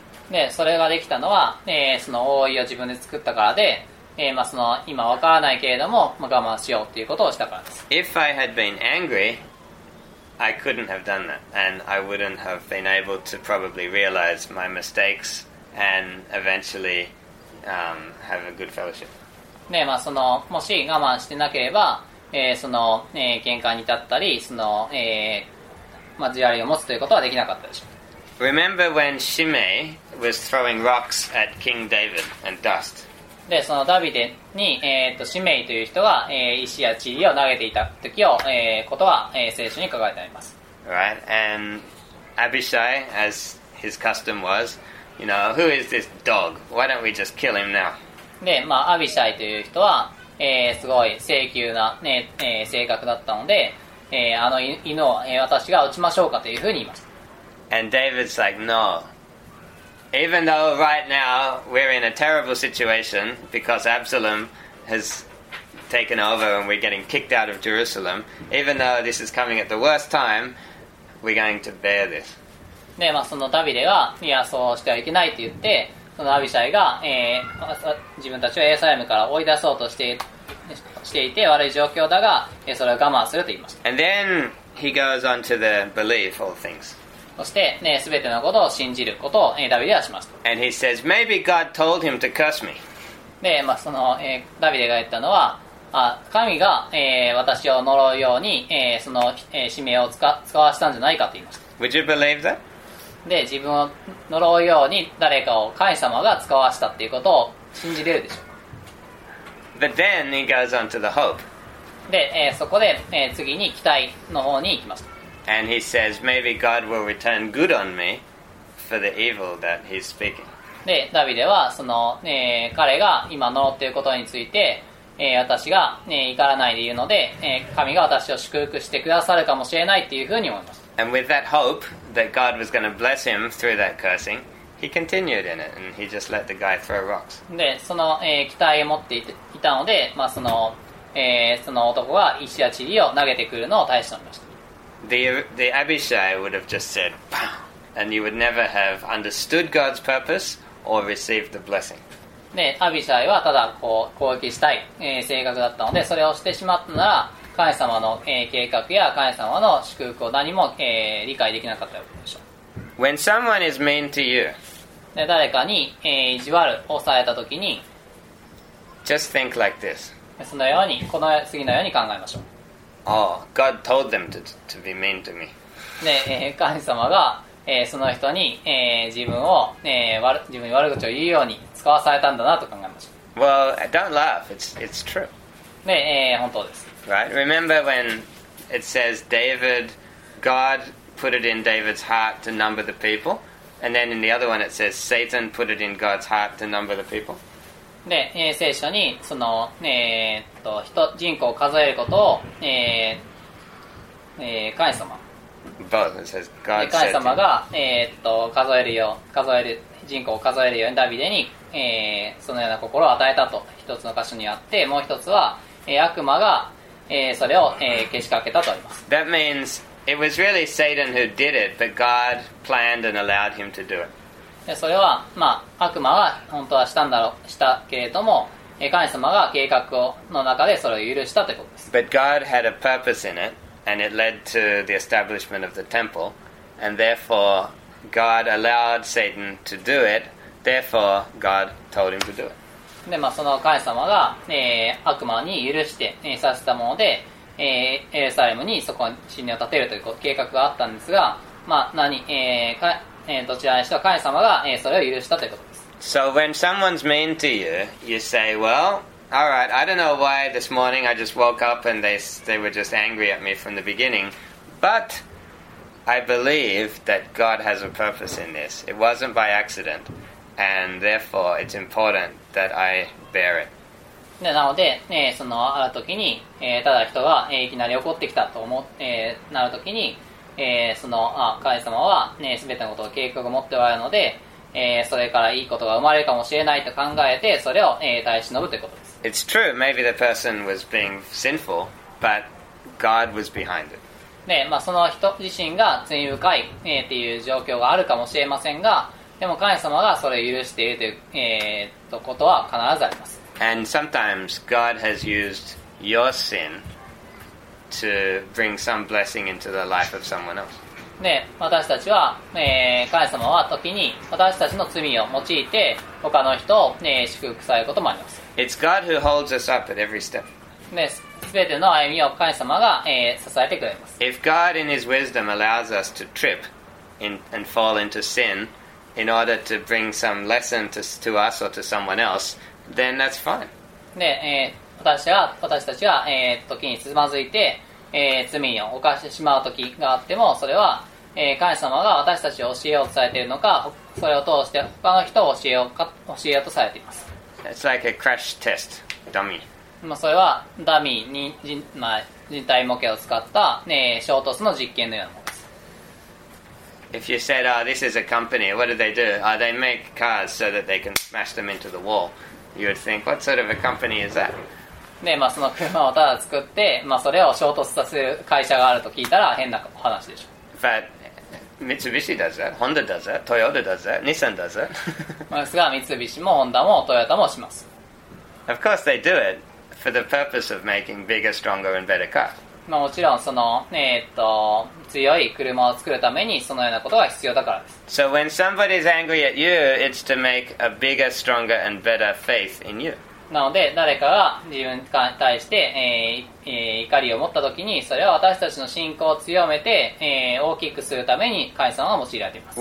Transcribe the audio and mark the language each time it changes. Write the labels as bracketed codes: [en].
[ja] で、それができたのは、その覆いを自分で作ったからで、まあ、その今わからないけれども、まあ、我慢しようっていうことをしたからです。 [en] If I had been angry, I couldn't have done that, and I wouldn't have been able to probably realize my mistakes and eventually, have a good fellowship. [ja] で、まあ、そのもし我慢してなければ、その、喧嘩に立ったり、その、まあ、地割りを持つということはできなかったでしょう。 [en] Remember when Shimei was throwing rocks at King David and dust? [ja] で、そのダビデに、シメイという人が、石や塵を投げていた時を、ことは、聖書に書かれてあります。 [en] Right, and Abishai, as his custom was, you know, who is this dog? Why don't we just kill him now? [ja] で、まあ、アビシャイという人は、すごい性急な、ね性格だったので、あの犬を、私が撃ちましょうかというふうに言います。 [en] And David's like, no. Even though right now we're in a terrible situation because Absalom has taken over and we're getting kicked out of Jerusalem, even though this is coming at the worst time, we're going to bear this. [ja] で、まあ、そのダビデは、いや、そうしてはいけないと言って、そのアビシャイが、自分たちをエルサレムから追い出そうとしていて悪い状況だが、それを我慢すると言いました。 [en] And then he goes on to the belief of things. [ja] そして、ね、全てのことを信じることをダビデはしました。 [en] And he says, maybe God told him to curse me. [ja] で、まあ、その、ダビデが言ったのは、あ、神が、私を呪うように、その、使命を使わせたんじゃないかと言いました。 [en] Would you believe that? [ja] で、自分を呪うように誰かを神様が使わせたっていうことを信じれるでしょう。 [en] But then he goes on to the hope. [ja] で、そこで、次に期待の方に行きました。 [en] And he says, maybe God will return good on me for the evil that he's speaking. [ja] で、ダビデはその、彼が今呪っていることについて、私が、怒らないで言うので、神が私を祝福してくださるかもしれないっていうふうに思います。 [en] And with that hope that God was going to bless him through that cursing, he continued in it and he just let the guy throw rocks. [ja] で、その、期待を持っていたので、まあその、その男が石や塵を投げてくるのを耐え忍びました。 [en] The Abishai would have just said, bam, and you would never have understood God's purpose or received the blessing. [ja] で、アビシャイはただこう攻撃したい、性格だったので、それをしてしまったなら、神様の、計画や神様の祝福を何も、理解できなかったわけでしょう。 [en] When someone is mean to you, [ja] で、誰かに、意地悪をされたときに、 [en] just think like this. [ja] そのように、この次のように考えましょう。 [en] Oh, God told them to be mean to me. [ja] で、神様が、その人に、自分を、自分に悪口を言うように使わされたんだなと考えました。 [en] Well, don't laugh. It's true. [ja] で、本当です。 [en] Right? Remember when it says David, God put it in David's heart to number the people? And then in the other one it says Satan put it in God's heart to number the people? [ja] で、聖書にその、人口を数えることを、神様 [en] Both. It says God [ja] 神様が、人口を数えるようにダビデに、そのような心を与えたと一つの箇所にあって、もう一つは、悪魔が、それを、けしかけたとあります。 [en] That means it was really Satan who did it, but God planned and allowed him to do it. [ja] で、それは、まあ、悪魔は本当はしたんだろう、したけれども、神様が計画の中でそれを許したということです。 [en] But God had a purpose in it, and it led to the establishment of the temple, and therefore God allowed Satan to do it, therefore God told him to do it. [ja] で、まあ、その神様が、悪魔に許して、させたもので、エルサレムにそこに神殿を建てるという計画があったんですが、まあ、どちらにしても神様が、それを許したということです。 [en] So when someone's mean to you, you say, well, all right, I don't know why this morning I just woke up and they were just angry at me from the beginning, but I believe that God has a purpose in this. It wasn't by accident, and therefore it's important that I bear it. [ja] でなので、そのある時に、ただ人が、いきなり怒ってきたと思って、なる時に、その神様は、全てのことを計画を持っておられるので、それからいいことが生まれるかもしれないと考えてそれを、耐え忍ぶということです。 [en] It's true, maybe the person was being sinful, but God was behind it. [ja] で、まあ、その人自身が罪深い、という状況があるかもしれませんが、でも神様がそれを許しているという、ことは必ずあります。 [en] And sometimes God has used your sin to bring some blessing into the life of someone else. [ja] で、私たちは、神様は時に私たちの罪を用いて他の人を、祝福されることもあります。 [en] It's God who holds us up at every step. [ja] で、全ての歩みを神様が、支えてくれます。 [en] If God in His wisdom allows us to trip and fall into sin in order to bring some lesson to us or to someone else,Then that's fine. [ja] で、私たちは、時につまずいて、罪を犯してしまう時があっても、それは、神様が私たちを教えようとされているのか、それを通して他の人を教えようとされています。 [en] It's like a crash test dummy. [ja] まあ、それはダミーに 人体模型を使った、衝突の実験のようなものです。 [en] If you said, oh, this is a company, what do they do? Oh, they make cars so that they can smash them into the wall. You would think, what sort of a company is that? [ja] で、まあ、その車をただ作って、まあ、それを衝突させる会社があると聞いたら変な話でしょ。 [en] But Mitsubishi does that, Honda does that, Toyota does that, Nissan does that. [ja] まあ、ですが、三菱もホンダもトヨタもします。 [en] Of course they do it for the purpose of making bigger, stronger and better cars. [ja] まあ、もちろんその、強い車を作るためにそのようなことが必要だからです。 [en] So when somebody's angry at you, it's to make a bigger, stronger, and better faith in you. [ja] なので誰かが自分に対して、怒りを持ったときに、それは私たちの信仰を強めて、大きくするために神様が用いられています。